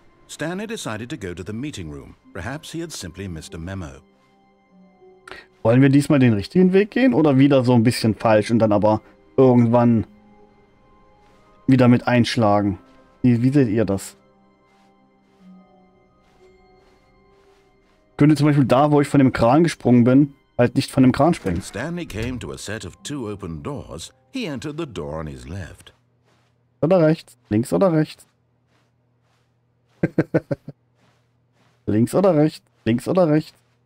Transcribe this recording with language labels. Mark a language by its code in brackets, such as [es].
[en] Stanley decided to go to the meeting room. Perhaps he had simply missed a memo. [de] Wollen wir diesmal den richtigen Weg gehen oder wieder so ein bisschen falsch und dann aber irgendwann wieder mit einschlagen? Wie seht ihr das? Könnte zum Beispiel da, wo ich von dem Kran gesprungen bin, halt nicht von dem Kran springen. [en] When Stanley came to a set of two open doors, he entered the door on his left. [de] Oder rechts? Links oder rechts? Links oder rechts? Links oder rechts?